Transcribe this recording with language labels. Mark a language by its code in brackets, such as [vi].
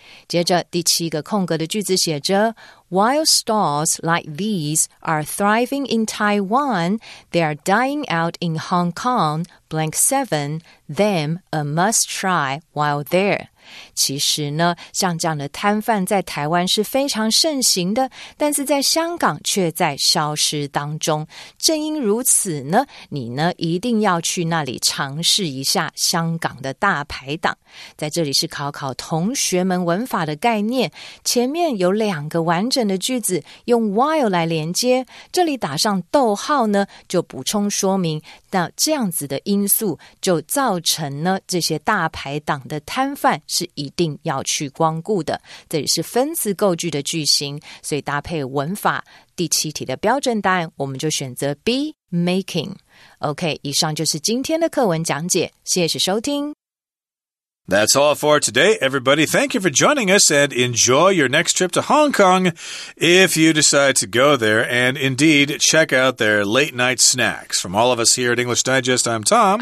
[zh] 接着第七个空格的句子写着， [en] While stalls like these are thriving in Taiwan, they are dying out in Hong Kong, blank seven, them a must try while there。 [zh] 其实呢，像这样的摊贩在台湾是非常盛行的，但是在香港却在消失当中。正因如此呢，你呢一定要去那里尝试一下香港的大排档。在这里是考考同学们文法的概念，前面有两个完整的句子用 while 来连接，这里打上逗号呢就补充说明，那这样子的因素就造成呢这些大排档的摊贩是一定要去光顾的。这里是分词构句的句型，所以搭配文法第七题的标准答案，我们就选择 B making。 OK， 以上就是今天的课文讲解，谢谢收听。 [en] That's all for today, everybody. Thank you for joining us and enjoy your next trip to Hong Kong if you decide to go there, and indeed check out their late night snacks. From all of us here at English Digest, I'm Tom.